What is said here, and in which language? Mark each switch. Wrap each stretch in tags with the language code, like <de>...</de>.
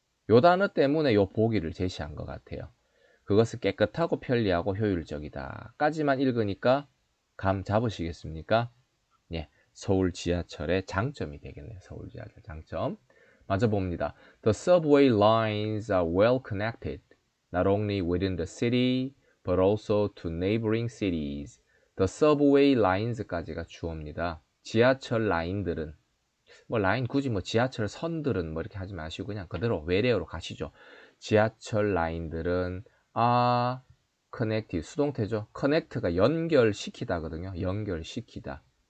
<ko>요 단어 때문에 요 보기를 제시한 것 같아요. 그것은 깨끗하고 편리하고 효율적이다까지만 읽으니까 감 잡으시겠습니까? 예, 서울 지하철의 장점이 되겠네요. 서울 지하철 장점. 맞아 봅니다.</ko> <en>The subway lines are well connected, not only within the city, but also to neighboring cities.</en> <ko>The subway lines 까지가 주어입니다. 지하철 라인들은, 뭐 라인 굳이 뭐 지하철 선들은 뭐 이렇게 하지 마시고 그냥 그대로 외래어로 가시죠. 지하철 라인들은 are connected, 수동태죠. connect가 연결시키다거든요. 연결시키다.</ko>